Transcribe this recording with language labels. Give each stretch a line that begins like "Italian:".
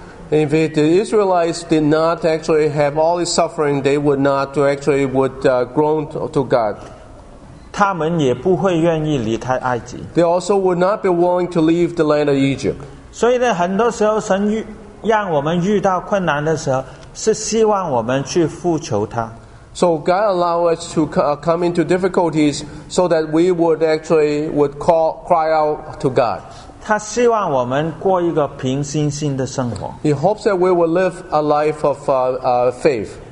English: If the Israelites did not actually have all this suffering, they would not actually would groan to God. They also would not be willing to leave the land of Egypt.
Chinese: 所以呢,很多时候神让我们遇到困难的时候,是希望我们去复求他。
English: So God allowed us to come into difficulties so that we would actually would call, cry out to God.
Chinese: 他希望我们过一个平心心的生活。
English: He hopes that we will live a life of faith.